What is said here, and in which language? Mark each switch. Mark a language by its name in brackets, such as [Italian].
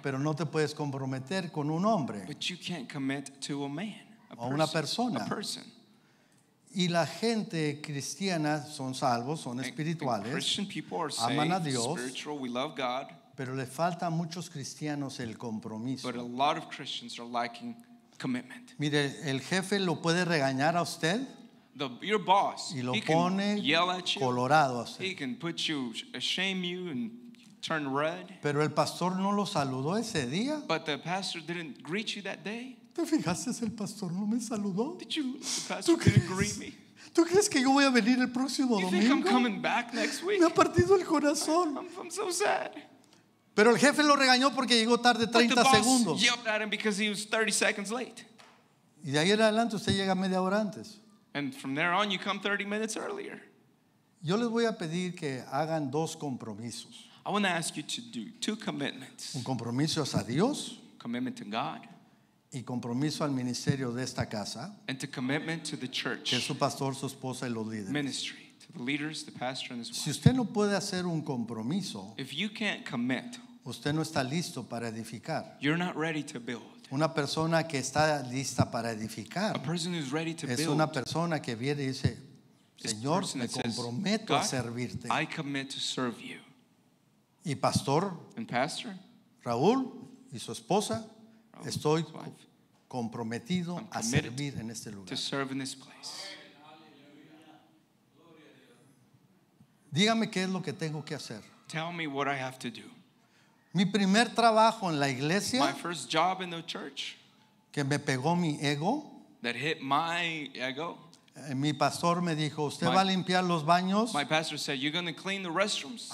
[Spanish] Pero no te puedes comprometer con un hombre. [English] But you can't commit to a man. [Spanish] O una persona. [English] A person. [Spanish] Y la gente cristiana son salvos, son espirituales. [English] And Christian people are saved. [Spanish] Aman a Dios. [English] Spiritual, we love God. [Spanish] Pero le falta a muchos cristianos el compromiso. [English] But a lot of Christians are lacking commitment. [Spanish] Mire, el jefe lo puede regañar a usted. [English] Your boss, [Spanish] y lo pone [English] yell at you, [Spanish] colorado. [English] He can put you, shame you, and turn red. [Spanish] Pero el pastor no lo saludó ese día. [English] But the pastor didn't greet you that day. [Spanish] ¿Te fijaste? El pastor no me saludó. [English] Did you? The pastor didn't greet me. [Spanish] ¿Tú crees que yo voy a venir el próximo domingo? [English] You think I'm coming back next week? [Spanish] Me ha partido el corazón. [English] I'm so sad. [Spanish] Pero el jefe lo regañó porque llegó tarde 30 segundos. [English] But the boss yelled at him because he was 30 seconds late. [Spanish] Y de ahí en adelante usted llega media hora antes. [English] And from there on, you come 30 minutes earlier. [Spanish] Yo les voy a pedir que hagan dos compromisos. [English] I want to ask you to do two commitments. [Spanish] Un compromiso a Dios. [English] Commitment to God. [Spanish] Y compromiso al ministerio de esta casa. [English] And to commitment to the church. [Spanish] Que es su pastor, su esposa y los líderes. [English] Ministry. To the leaders, the pastor and his wife. [Spanish] Si usted no puede hacer un compromiso. [English] If you can't commit. [Spanish] Usted no está listo para edificar. [English] You're not ready to build. [Spanish] Una persona que está lista para edificar. [English] A person who's ready to [Spanish] es [English] build. [Spanish] Una persona que viene y dice, Señor, me comprometo [English] says, [Spanish] a servirte. [English] I commit to serve you. [Spanish] Y pastor, [English] and pastor [Spanish] Raúl y su esposa, Raúl, estoy comprometido a servir en este lugar. [English] To serve in this place. [Spanish] Dígame qué es lo que tengo que hacer. [English] Tell me what I have to do. [Spanish] Mi primer trabajo en la iglesia, [English] my first job in the church, [Spanish] que me pegó mi ego, [English] that hit my ego. [Spanish] Mi pastor me dijo, usted va a limpiar los baños, [English] my pastor said, you're going to clean the restrooms,